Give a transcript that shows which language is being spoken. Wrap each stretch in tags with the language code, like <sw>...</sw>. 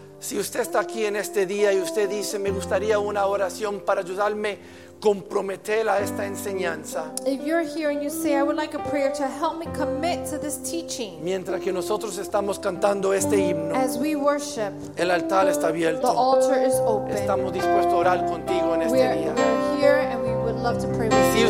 <es>Si usted está aquí en este día y usted dice, me gustaría una oración para ayudarme a comprometer a esta enseñanza.</es> <en>If you're here and you say, I would like a prayer to help me commit to this teaching.</en> <es>Mientras que nosotros estamos cantando este himno.</es> <en>As we worship.</en> <es>El altar está abierto.</es> <en>The altar is open.</en> <es>Estamos dispuestos a orar contigo en este día.</es> <en>We're here and we would love to pray with you.</en>